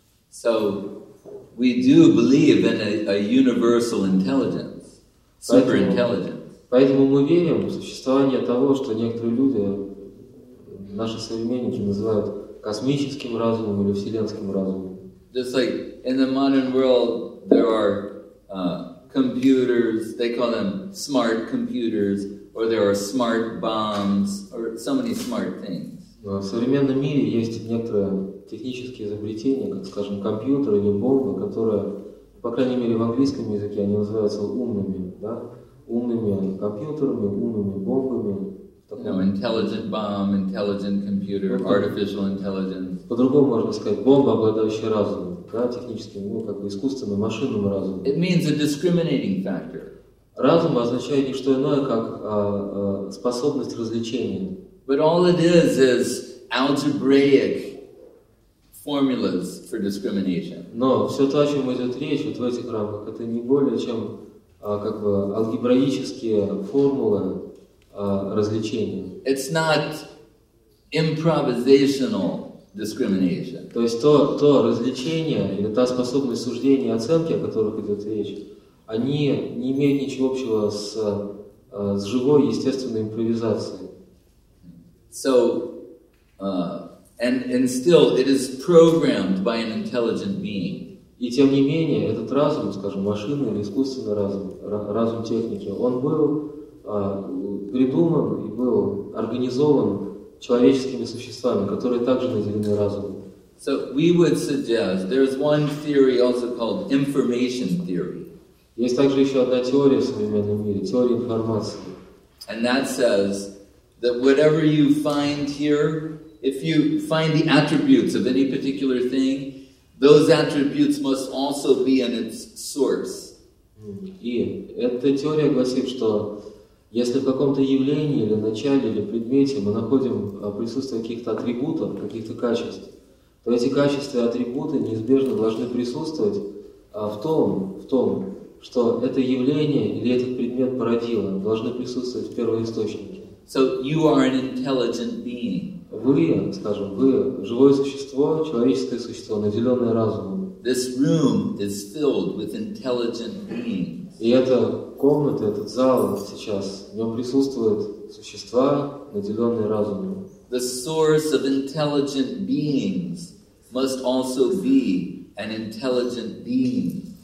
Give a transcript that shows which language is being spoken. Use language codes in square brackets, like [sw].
[en] So, we do believe in a universal intelligence, superintelligence. [ru] Поэтому мы верим в существование того, что некоторые люди, наши современники, называют космическим разумом или вселенским разумом. [en] Just like in the modern world, there are computers, they call them smart computers, or there are smart bombs, or so many smart things. [ru] Но в современном мире есть некоторые технические изобретения, как, скажем, компьютер или бомба, которые, по крайней мере, в английском языке они называются умными, да? Умными компьютерами, умными бомбами. [en] No, intelligent bomb, intelligent computer, artificial intelligence. [ru] По-другому можно сказать, бомба, обладающая разумом, да, техническим, ну, как бы искусственным, машинным разумом. [en] It means a discriminating factor. [ru] Разум означает не что иное, как способность развлечения. [en] But all it is algebraic formulas for discrimination. [ru] Но все то, о чем идет речь вот в этих рамках, это не более чем как бы алгебраические формулы развлечения. [en] It's not improvisational discrimination. [ru] То есть то развлечение или та способность суждения и оценки, о которых идет речь, они не имеют ничего общего с живой естественной импровизацией. [en] So, and still, it is programmed by an intelligent being. [ru] И тем не менее, этот разум, скажем, машинный или искусственный разум, разум техники, он был придуман и был организован человеческими существами, которые также наделены разумом. [en] So we would suggest there is one theory also called information theory. [ru] Есть также еще одна теория в современном мире, теория информации. [en] And that says that whatever you find here, if you find the attributes of any particular thing, those attributes must also be in its source. [ru] И эта теория гласит, что если в каком-то явлении или начале или предмете мы находим присутствие каких-то атрибутов, каких-то качеств, то эти качества и атрибуты неизбежно должны присутствовать в том, что это явление или этот предмет породило, должны присутствовать в первоисточнике. [en] So you are an intelligent being. [ru] Вы, скажем, вы живое существо, человеческое существо, наделенное разумом. [en] This room is filled with intelligent beings. [ru] И эта комната, этот зал сейчас, в нем присутствуют существа, наделенные разумом. [en] The source of intelligent beings must also be an intelligent being.